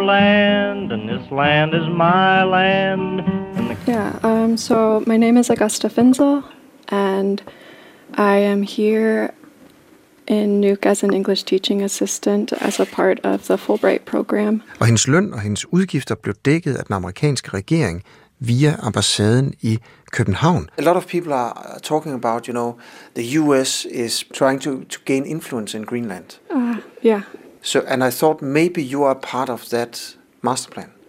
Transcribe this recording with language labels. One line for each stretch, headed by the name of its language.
English: land, and this land is my land. So my name is Augusta Finzel, and I am here in Nuuk as an English teaching assistant as a part of the Fulbright program.
Danish: Og hendes løn og hendes udgifter blev dækket af den amerikanske regering via ambassaden i København.
English: A lot of people are talking about, you know, the US is trying to gain influence in Greenland. So, and I thought maybe you are part of that master plan.